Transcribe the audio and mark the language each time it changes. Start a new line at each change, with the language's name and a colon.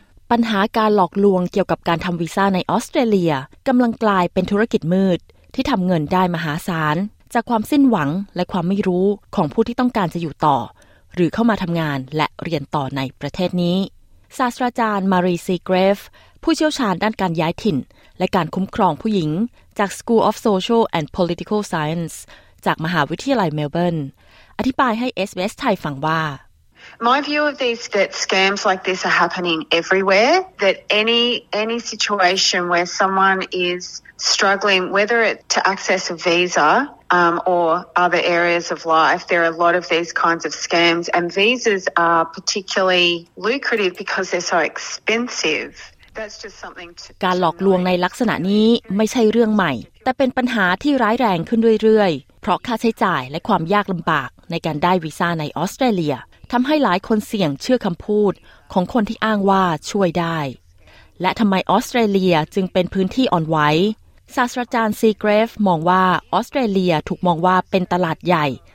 Thai: ปัญหาการหลอกลวงเกี่ยวกับการทำวีซ่าในออสเตรเลียกำลังกลายเป็นธุรกิจมืดที่ทำเงินได้มหาศาลจากความสิ้นหวังและความไม่รู้ของผู้ที่ต้องการจะอยู่ต่อหรือเข้ามาทำงานและเรียนต่อในประเทศนี้ศาสตราจารย์มารีซีเกรฟผู้เชี่ยวชาญด้านการย้ายถิ่นและการคุ้มครองผู้หญิงจาก School of Social and Political Science จากมหาวิทยาลัยเมลเบิร์นอธิบายให้ SBS ไทยฟังว่า
English: My view of these that scams like this are happening everywhere, that any situation where someone is struggling, whether it's to access a visa, or other areas of life, there are a lot of these kinds of scams, and visas are particularly lucrative because they're so expensive. That's just something to...
Thai: การหลอกลวงในลักษณะนี้ไม่ใช่เรื่องใหม่แต่เป็นปัญหาที่ร้ายแรงขึ้นเรื่อยๆเพราะค่าใช้จ่ายและความยากลำบากในการได้วีซ่าในออสเตรเลียทำให้หลายคนเสี่ยงเชื่อคำพูดของคนที่อ้างว่าช่วยได้ และทำไมออสเตรเลียจึงเป็นพื้นที่อ่อนไหวศาสตราจารย์ซีเกรฟมองว่าออสเตรเลียถูกมองว่าเป็นตลาดใหญ่